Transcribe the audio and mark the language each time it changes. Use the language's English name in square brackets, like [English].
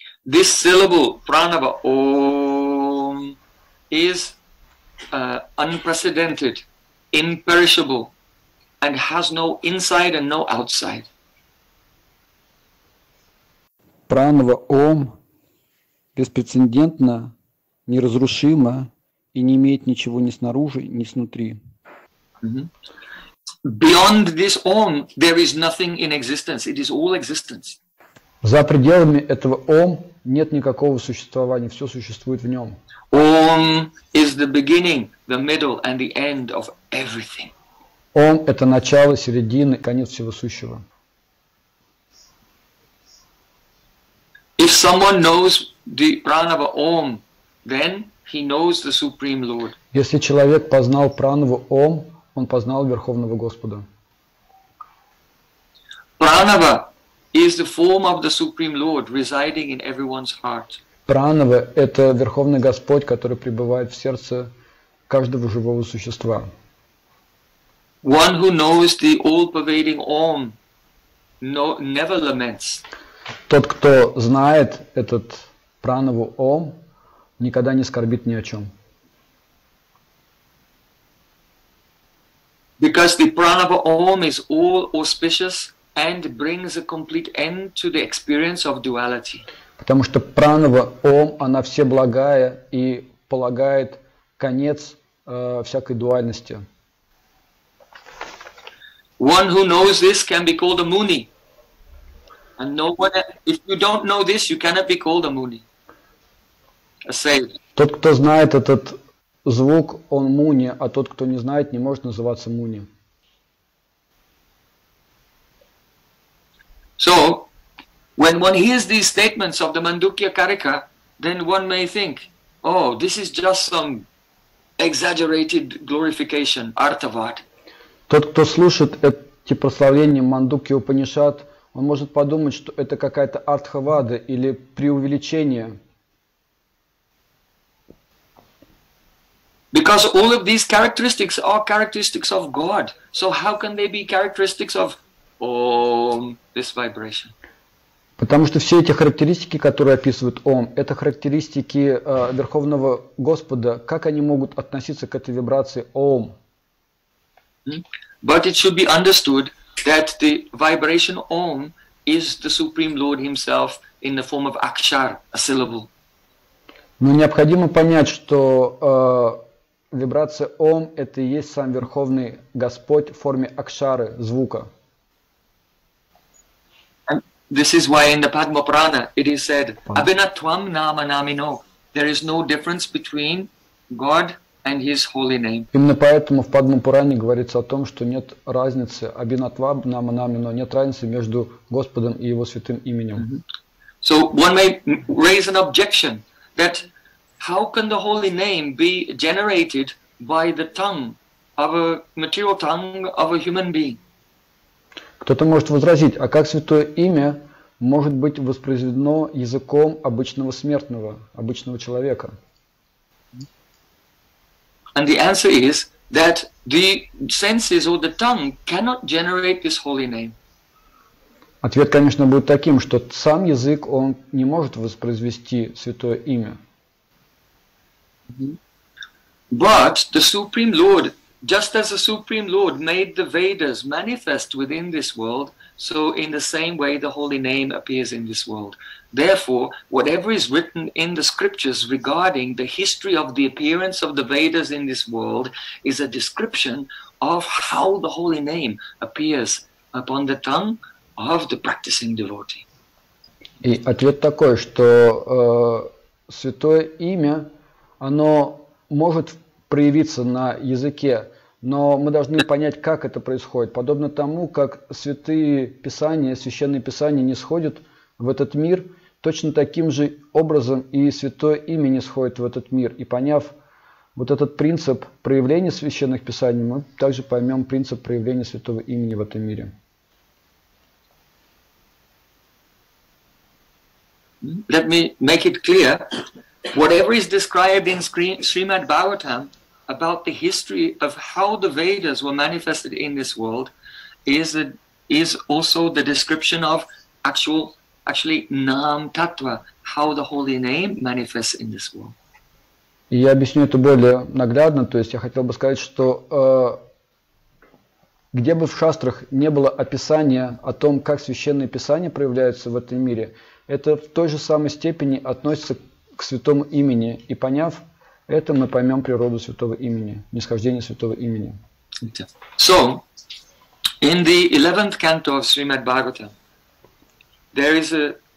[English] This syllable, Pranava, Om, is unprecedented, imperishable, and has no inside and no outside. [Russian] Pranava, Om, беспрецедентно, неразрушимо и не имеет ничего ни снаружи, ни снутри. [English] Beyond this Om, there is nothing in existence. It is all existence. [Russian] За пределами этого Ом нет никакого существования, все существует в нем. [English] Ом is the beginning, the middle and the end of everything. [Russian] Ом это начало, середина, конец всего сущего. [English] If someone knows the pranava Om, then he knows the Supreme Lord. [Russian] Если человек познал пранаву Ом, он познал Верховного Господа. [English] Pranava is the form of the Supreme Lord residing in everyone's heart. [Russian] Пранава это Верховный Господь, который пребывает в сердце каждого живого существа. [English] One who knows the all-pervading Om never laments. [Russian] Тот, кто знает этот пранаву Ом, никогда не скорбит ни о чем. [English] Because the pranava Om is all auspicious and brings a complete end to the experience of duality. [Russian] Потому что пранава Ом, она всеблагая и полагает конец всякой дуальности. [English] One who knows this can be called a Muni. And no one, if you don't know this, you cannot be called a Muni. A sage. [Russian] Тот, кто знает этот звук, он Муни, а тот, кто не знает, не может называться Муни. [English] So, when one hears these statements of the Mandukya Karika, then one may think, oh, this is just some exaggerated glorification, Artavad. [Russian] Тот, кто слушает эти прославления Мандукья Упанишад, он может подумать, что это какая-то артхавада или преувеличение. [English] Because all of these characteristics are characteristics of God. So how can they be characteristics of Om, this vibration? [Russian] Потому что все эти характеристики, которые описывают Ом, это характеристики Верховного Господа. Как они могут относиться к этой вибрации Ом? [English] But it should be understood that the vibration Om is the Supreme Lord himself in the form of akshar, a syllable. [Russian] Но необходимо понять, что вибрация Ом это и есть сам Верховный Господь в форме акшары, звука. [English] And this is why in the Padma Purana it is said [Sanskrit] abhinatvam nama namino. [English] There is no difference between God and his holy name. [Russian] Именно поэтому в Падмапуране говорится о том, что нет разницы [Sanskrit] абинатва нама намино, [Russian] нет разницы между Господом и его святым именем. [English] So one may raise an objection that how can the holy name be generated by the tongue of a material tongue of a human being? [Russian] Кто-то может возразить, а как святое имя может быть воспроизведено языком обычного смертного, обычного человека? [English] And the answer is that the senses or the tongue cannot generate this holy name. [Russian] Ответ, конечно, будет таким, что сам язык он не может воспроизвести святое имя. [English] But the Supreme Lord, just as the Supreme Lord made the Vedas manifest within this world, so in the same way the holy name appears in this world. Therefore, whatever is written in the scriptures regarding the history of the appearance of the Vedas in this world is a description of how the holy name appears upon the tongue of the practicing devotee. [Russian] И ответ такой, что святое имя, оно может проявиться на языке, но мы должны понять, как это происходит. Подобно тому, как святые писания, священные писания нисходят в этот мир, точно таким же образом и святое имя нисходит в этот мир. И поняв вот этот принцип проявления священных писаний, мы также поймем принцип проявления святого имени в этом мире. [English] Let me make it clear. Whatever is described in Srimad Bhagavatam about the history of how the Vedas were manifested in this world is also the description of actually Nam Tattva, how the holy name manifests in this world. [Russian] Я объясню это более наглядно, то есть я хотел бы сказать, что где бы в шастрах не было описания о том, как священные писания проявляются в этом мире, это в той же самой степени относится к святому имени, и поняв это, мы поймем природу святого имени, нисхождение святого имени. [English] So, in the 11th canto of Srimad Bhagavatam, there is a